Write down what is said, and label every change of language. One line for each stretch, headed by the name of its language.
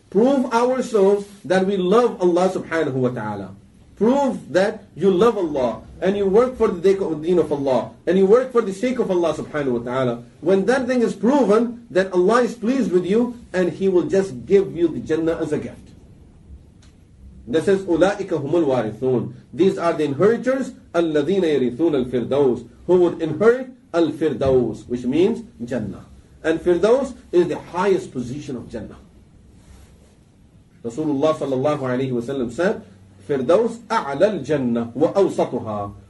English: Prove ourselves that we love Allah subhanahu wa ta'ala. Prove that you love Allah and you work for the deen of Allah and you work for the sake of Allah subhanahu wa ta'ala. When that thing is proven, that Allah is pleased with you and He will just give you the Jannah as a gift. That says,
Arabic: أُولَٰئِكَ هُمُ الْوَارِثُونَ.
English: These are the inheritors,
Arabic: الَّذِينَ يَرِثُونَ الْفِرْدَوْسِ,
English: who would inherit الْفِرْدَوْسِ, which means Jannah. And Firdaus is the highest position of Jannah. Rasulullah sallallahu alayhi wa sallam said,
Arabic: Firdaus a'la al-jannah wa awsatuha.